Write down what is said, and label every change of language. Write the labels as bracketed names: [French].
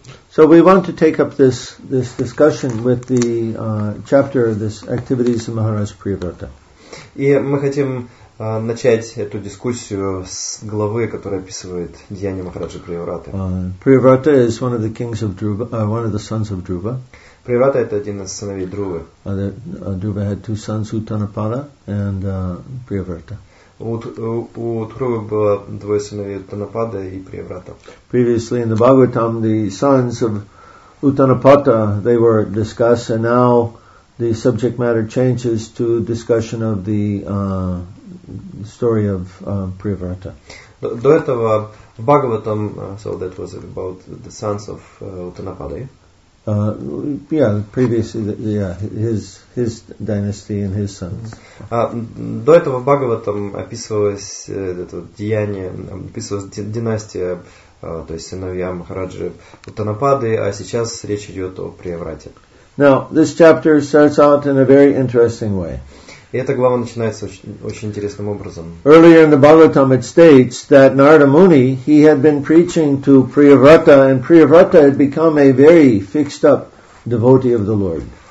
[English] So we want to take up this discussion with the chapter of this activities of Maharaj Priyavrata. [Russian] И мы хотим начать эту дискуссию с главы, которая описывает деяния Махараджа Приевраты. [English] Priyavrata is one of the kings of Dhruva, one of the sons of Dhruva. [Russian] Priyavrata это один из сыновей Друвы. [English] Dhruva had two sons, Uttanapada and Priyavrata. [Russian] У Дхрувы было двое сыновей Уттанапада и Приеврата. [English] Previously in the Bhagavatam, the sons of Uttanapada, they were discussed, and now the subject matter changes to discussion of the story of Priyavrata. [Russian] До этого в Бхагаватам, [English] so that was about the sons of Uttanapadai. Yeah, previously, his dynasty and his sons. [Russian] До этого в Бхагаватам описывалось это деяние, описывалась династия, то есть сыновья Махараджи Уттанапады, а сейчас речь идет о Приеврате. [English] Now, this chapter starts out in a very interesting way. [Russian] И эта глава начинается очень интересным образом. [English] Earlier in the Bhagavatam it states that Narada Muni, he had been preaching to Priyavrata, and Priyavrata had become a very fixed up devotee of the Lord.